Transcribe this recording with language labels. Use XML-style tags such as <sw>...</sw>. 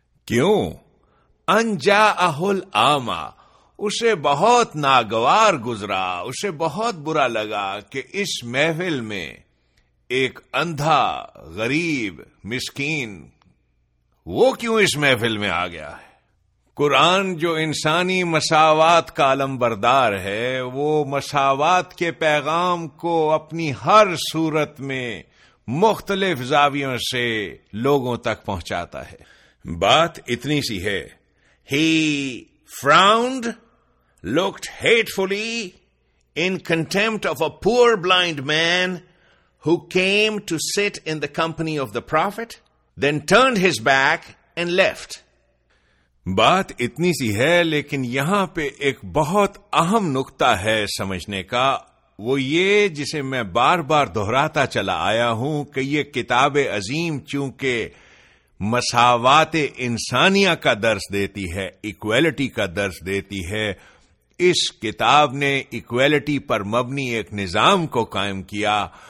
<ur>کیوں؟ انجا اہل آما, اسے بہت ناگوار گزرا, اسے بہت برا لگا کہ اس محفل میں ایک اندھا غریب مسکین وہ کیوں اس محفل میں آ گیا ہے. قرآن جو انسانی مساوات کا علم بردار ہے وہ مساوات کے پیغام کو اپنی ہر صورت میں مختلف زاویوں سے لوگوں تک پہنچاتا ہے. بات اتنی سی ہے,</ur> <en>He frowned, looked hatefully in contempt of a poor blind man who came to sit in the company of the prophet, then turned his back and left.</en> <ur>بات اتنی سی ہے لیکن یہاں پہ ایک بہت اہم نقطہ ہے سمجھنے کا, وہ یہ جسے میں بار بار دہراتا چلا آیا ہوں کہ یہ کتاب عظیم چونکہ مساوات انسانیہ کا درس دیتی ہے, ایکویلٹی کا درس دیتی ہے, اس کتاب نے ایکویلٹی پر مبنی ایک نظام کو قائم کیا.</ur>